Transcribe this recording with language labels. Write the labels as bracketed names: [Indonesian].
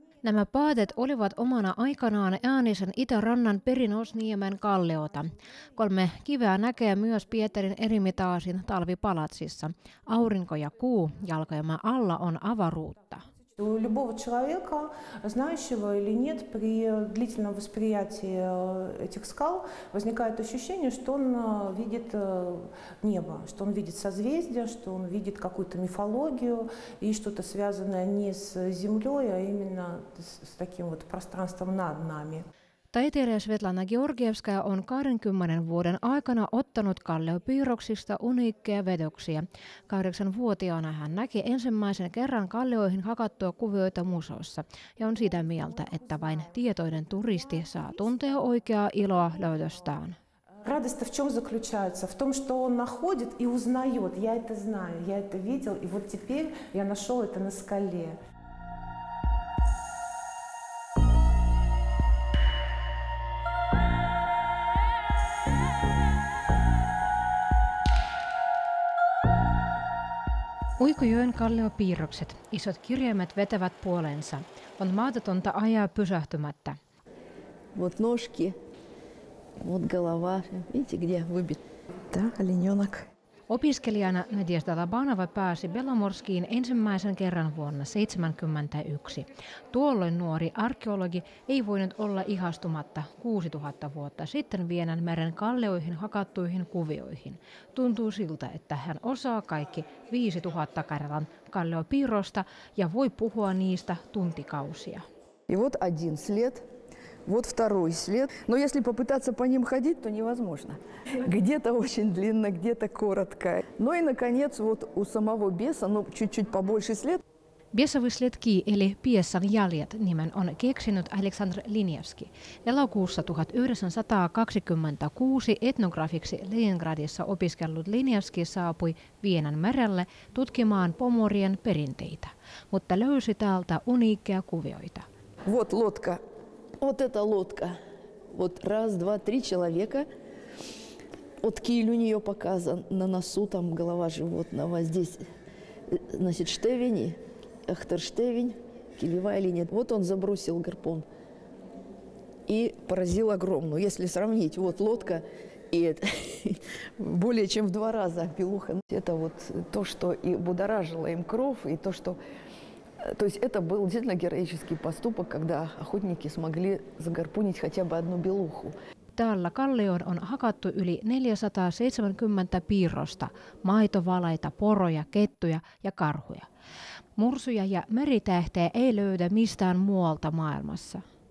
[Finnish] Nämä paatet olivat omana aikanaan äänisen itärannan Perinosniemen kalliota. Kolme kiveä näkee myös Pietarin Eremitaasin talvipalatsissa. Aurinko ja kuu jalkojemme alla on avaruutta. [Russian] У любого человека, знающего или нет, при длительном восприятии этих скал возникает ощущение, что он видит небо, что он видит созвездия, что он видит какую-то мифологию и что-то связанное не с землей, а именно с таким вот пространством над нами. [Finnish] Taiteilija Svetlana Georgievskaja on 20 vuoden aikana ottanut kalliopiirroksista uniikkeja vedoksia. 8-vuotiaana hän näki ensimmäisen kerran kallioihin hakattua kuvioita museossa ja on sitä mieltä, että vain tietoinen turisti saa tuntea oikeaa iloa löydöstään. [Russian] Радость в чем заключается? В том, что он находит и узнает. Я это знаю, я это видел, и вот теперь я нашел это на скале. [Finnish] Uikujoen kalliopiirrokset, isot kirjaimet vetävät puolensa. On mahdotonta ajaa pysähtymättä. [Russian] Вот ножки. Вот голова. Видите, где выбит? Да, оленёнок. [Finnish] Opiskelijana Nadia Stalabanova pääsi Belomorskiin ensimmäisen kerran vuonna 1971. Tuolloin nuori arkeologi ei voinut olla ihastumatta 6000 vuotta sitten Vienan meren kallioihin hakattuihin kuvioihin. Tuntuu siltä, että hän osaa kaikki 5000 Karjalan kalliopiirrosta ja voi puhua niistä tuntikausia. [Russian] И вот один след. Вот второй след. Но если попытаться по ним ходить, то невозможно. Где-то очень длинно, где-то коротко. Ну и, наконец, вот у самого беса, ну, чуть-чуть побольше след. Бесовые следки, или бесан яльет, [Finnish] nimen on keksinyt [Russian] Aleksandr Liniewski. [Finnish] Elokuussa 1926 etnografiksi Leningradissa opiskellut Liniewski saapui Vienan merelle tutkimaan pomorien perinteitä, mutta löysi täältä uniikkeja kuvioita. [Russian] Вот лодка. Вот эта лодка. Вот раз, два, три человека. Вот киль у нее показан. На носу там голова животного. Здесь, значит, штевень, эхтерштевень, килевая линия. Вот он забросил гарпун и поразил огромную. Если сравнить, вот лодка и это, более чем в два раза белуха. Это вот то, что и будоражило им кровь, и то, что... То есть это был действительно героический поступок, когда охотники смогли загарпунить хотя бы одну белуху. [Finnish] Täällä kallioon on hakattu yli 470 piirrosta, maitovalaita, poroja, kettuja ja karhuja. Mursuja ja meritähteä ei löydä mistään muualta maailmassa.